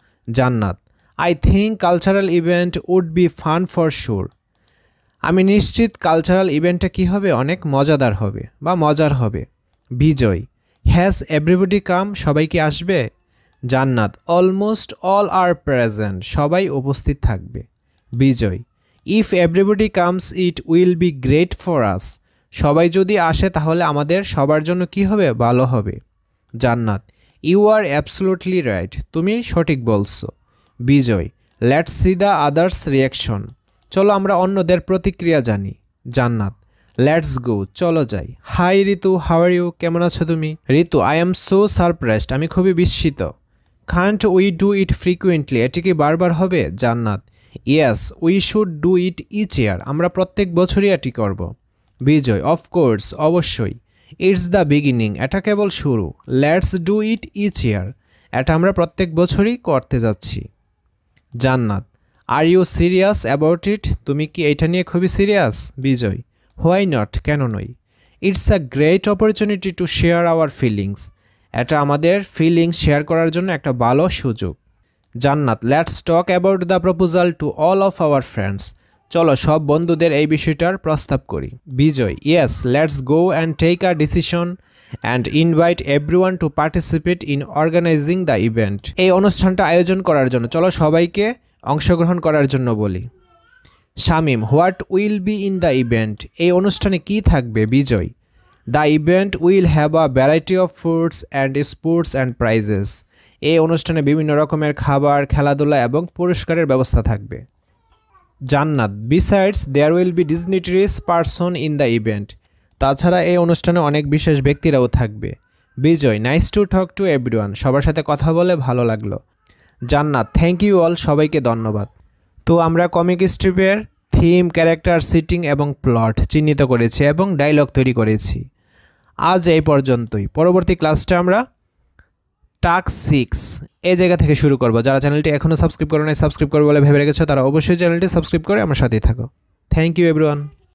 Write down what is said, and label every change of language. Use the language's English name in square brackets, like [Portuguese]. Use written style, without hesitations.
[Bangla] জান্নাত, [English] I think cultural event would be fun for sure, [Bangla] আমি নিশ্চিত কালচারাল ইভেন্টটা কী হবে, অনেক মজাদার হবে বা মজার হবে। বিজয়, [English] has everybody come, [Bangla] সবাই কি আসবে। [English] Jannat, almost all are present, [Bangla] সবাই উপস্থিত থাকবে। [English] Bijoy, If everybody comes, it will be great for us. [Bangla] সবাই যদি আসে তাহলে আমাদের সবার জন্য কি হবে? ভালো হবে। জান্নাত। [English] You are absolutely right. [Bangla] তুমি সঠিক বলছো। [English] Bijoy. Let's see the others' reaction. [Bangla] চলো আমরা অন্যদের প্রতিক্রিয়া জানি। জান্নাত। [English] Let's go. [Bangla] চলো যাই। [English] Hi Ritu, how are you? [Bangla] কেমন আছো তুমি? [English] Ritu, I am so surprised. [Bangla] আমি খুবই বিস্মিত। [English] Can't we do it frequently? [Bangla] এটি কি বারবার হবে? [English] Jannat. Yes, we should do it each year. [Bangla] আমরা প্রত্যেক বছরই এটি করব। [English] Bijoy. Of course, [Bangla] অবশ্যই। [English] It's the beginning. [Bangla] এটা কেবল শুরু। [English] Let's do it each year. [Bangla] এটা আমরা প্রত্যেক বছরই করতে যাচ্ছি। জান্নাত। [English] Are you serious about it? [Bangla] তুমি কি এটা নিয়ে খুবই সিরিয়াস? বিজয়। [English] Why not? [Bangla] কেন নই? [English] It's a great opportunity to share our feelings. [Bangla] এটা আমাদের [English] feelings share [Bangla] করার জন্য একটা ভালো সুযোগ। [English] Jannat, let's talk about the proposal to all of our friends. [Bangla] চলো সব বন্ধুদের এই বিষয়টার প্রস্তাব করি। [English] Bijoy, yes, let's go and take a decision and invite everyone to participate in organizing the event. [Bangla] এই অনুষ্ঠানটা আয়োজন করার জন্য চলো সবাইকে অংশগ্রহণ করার জন্য বলি। [English] Shamim, what will be in the event? [Bangla] এই অনুষ্ঠানে কি থাকবে? [English] Bijoy, the event will have a variety of foods and sports and prizes. [Bangla] এই অনুষ্ঠানে বিভিন্ন রকমের খাবার, খেলাধুলা এবং পুরস্কারের ব্যবস্থা থাকবে। [English] Jannat, besides, there will be dignitaries person in the event. [Bangla] তাছাড়া এই অনুষ্ঠানে অনেক বিশেষ ব্যক্তিরাও থাকবে। বিজয়, [English] nice to talk to everyone. [Bangla] সবার সাথে কথা বলে ভালো লাগলো। [English] Jannat, thank you all. [Bangla] সবাইকে ধন্যবাদ। তো আমরা কমিক স্ট্রিপের থিম, ক্যারেক্টার, সিটিং এবং প্লট চিহ্নিত করেছি এবং ডায়লগ তৈরি করেছি। আজ এই পর্যন্তই। পরবর্তী ক্লাসটা আমরা টাক সিক্স এই জায়গা থেকে শুরু করবো। যারা চ্যানেলটি এখনও সাবস্ক্রাইব করো নাই, সাবস্ক্রাইব করো বলে ভেবে রেখেছো, তারা অবশ্যই চ্যানেলটি সাবস্ক্রাইব করে আমার সাথেই থাকো। [English] Thank you everyone.